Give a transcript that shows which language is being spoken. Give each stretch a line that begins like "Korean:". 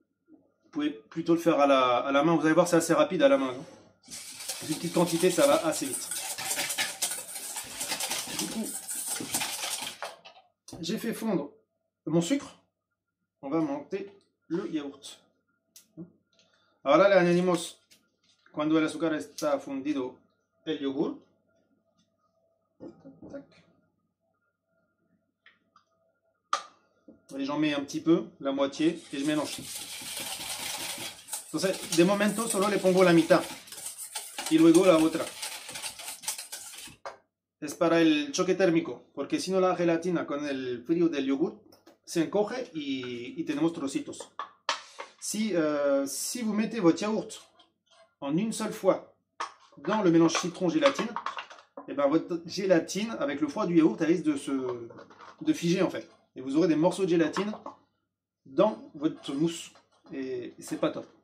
French: Vous pouvez plutôt le faire à la main. Vous allez voir, c'est assez rapide à la main. Hein, une petite quantité, ça va assez vite. Du coup, j'ai fait fondre mon sucre. On va monter le yaourt.
Spanish: Ahora le añadimos, cuando el azúcar está fundido, el yogur.
French: Y j'en mets un petit peu, la moitié, y je mélange.
Spanish: Entonces, de momento solo le pongo la mitad, y luego la otra. Es para el choque térmico, porque si no la gelatina con el frío del yogur se encoge y tenemos trocitos.
French: Si vous mettez votre yaourt en une seule fois dans le mélange citron-gélatine, et ben votre gélatine, avec le froid du yaourt, elle risque de figer en fait. Et vous aurez des morceaux de gélatine dans votre mousse. Et c'est pas top.